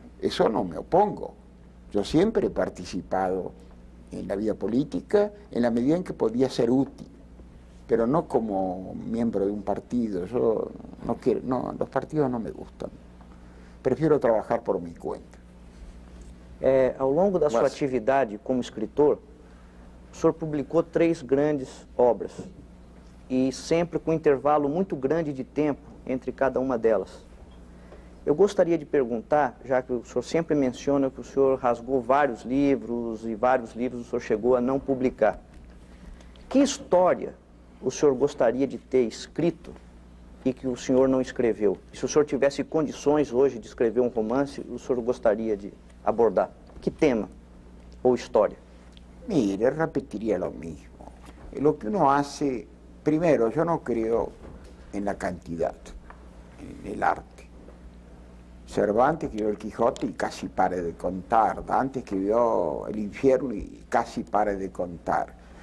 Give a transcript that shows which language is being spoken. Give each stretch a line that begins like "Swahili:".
Spanish: Eso no me opongo. Yo siempre he participado en la vida política en la medida en que podía ser útil, pero no como miembro de un partido. Yo no quiero, no, los partidos no me gustan. Prefiero trabajar por mi cuenta.
Portuguese: Ao longo da sua atividade como escritor, o senhor publicou 3 grandes obras e sempre com um intervalo muito grande de tempo entre cada uma delas. Eu gostaria de perguntar, já que o senhor sempre menciona que o senhor rasgou vários livros e vários livros o senhor chegou a não publicar. Que história o senhor gostaria de ter escrito e que o senhor não escreveu? E se o senhor tivesse condições hoje de escrever um romance, o senhor gostaria de abordar? Que tema ou história?
Spanish: Mire, repetiria lo mismo. Lo que uno hace, primero, yo no creo en la cantidad, en el arte. Cervantes escribió el Quijote y casi pare de contar. Dante escribió el Infierno y casi pare de contar.